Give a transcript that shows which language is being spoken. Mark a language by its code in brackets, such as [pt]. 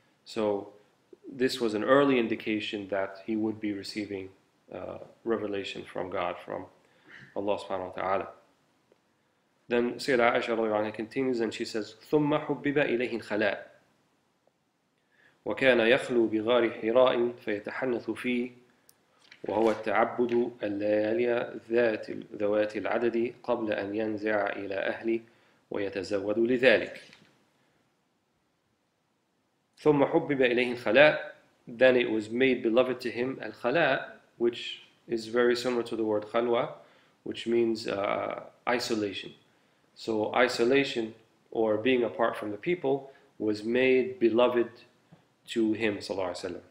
[en] So this was an early indication that he would be receiving revelation from God, from Allah subhanahu wa ta'ala. Then Sayyidah Aisha radiallahu anha continues and she says, [ar] ثُمَّ حُبِّبَ إِلَيْهِ الْخَلَاءِ وَكَانَ يَخْلُو بِغَارِ حِرَاءٍ فَيَتَحَنَّثُ فِيهِ وَهُوَ التَّعَبُّدُ اللَّيَالِيَ ذَاتِ ذَوَاتِ الْعَدَدِ قَبْلَ أَنْ يَنْزِعَ إِلَىٰ أَهْلِ وَيَتَزَوَّدُ لِذَلِكَ ثُمَّ حُبِّبَ إِلَيْهِ الْخَلَاءِ. [en] Then it was made beloved to him, al-khala, which is very similar to the word khalwa, which means isolation. So isolation, or being apart from the people, was made beloved to him, sallallahu alayhi wa sallam.